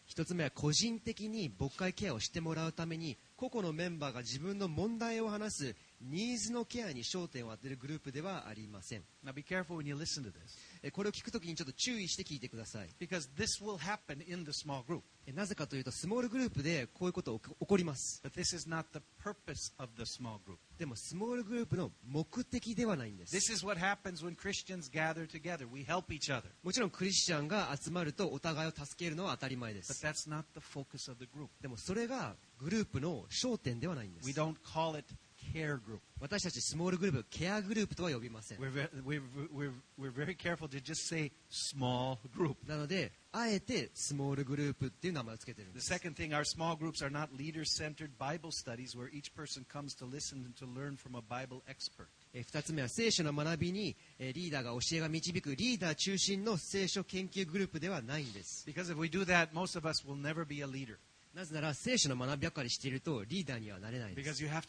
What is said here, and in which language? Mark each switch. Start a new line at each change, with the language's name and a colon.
Japanese: 一つ目は個人的に牧会ケアをしてもらうために個々のメンバーが自分の問題を話すニーズのケアに焦点を当てるグループではありません。
English: Now be careful when you listen to this.
Japanese: これを聞くときにちょっと注意して聞いてください。
English: Because this will happen in the small group.
Japanese: なぜかというと、スモールグループでこういうことが起こります。
English: But this is not the purpose of the small group.
Japanese: でも、スモールグループの目的ではないんです。
English: This is what happens when Christians gather together. We help each other.
Japanese: もちろん、クリスチャンが集まるとお互いを助けるのは当たり前です。
English: But that's not the focus of the group.
Japanese: でも、それがグループの焦点ではないんです。
English: We don't call it care group.
Japanese: 私たちスモールグループ、ケアグループとは呼びません。
English: We're very careful to just say small group.
Japanese: なので、あえてスモールグループっていう名前をつけてるんです。
English: The second thing, our small groups are not leader-centered Bible studies where each person comes to listen and to learn from a Bible expert.
Japanese: 二つ目は聖書の学びにリーダーが教えが導くリーダー中心の聖書研究グループではないんです。
English: Because if we do that, most of us will never be a leader.
Japanese: なぜなら聖書の学びばかりしているとリーダーにはなれないです。